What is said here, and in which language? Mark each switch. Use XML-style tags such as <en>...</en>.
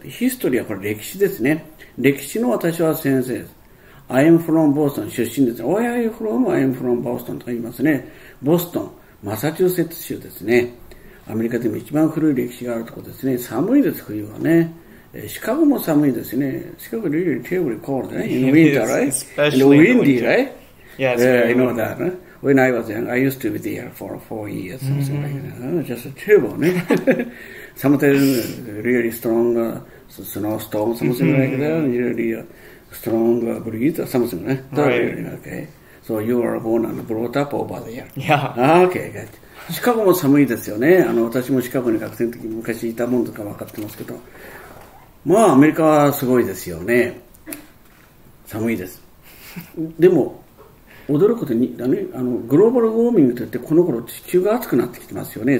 <ja>History はこれ歴史ですね。歴史の私は先生です。</ja> <en>I am from Boston.</en> <ja>出身です。</ja> <en>Where are you from? I am from Boston.</en> <ja>と言いますね。Boston. マサチューセッツ州ですね。アメリカでも一番古い歴史があるところですね。寒いです、冬はね。シカゴも寒いですね。</ja> <en>シカゴ、really terribly cold, right? In winter, right? In windy, right? Yes, I know that, right? When I was young, I used to be there for 4 years, something like that. Just terrible, ね。 Sometimes, really strong snowstorm, something like that. Really strong breeze, something like that. Right. Okay. So you are born and brought up over there. Yeah. Okay, good.</en> <ja>シカゴも寒いですよね。私もシカゴに学生の時に昔いたもんとか分かってますけど、アメリカはすごいですよね。寒いです。でも、驚くことに、グローバルウォーミングといって、この頃地球が熱くなってきてますよね。</ja>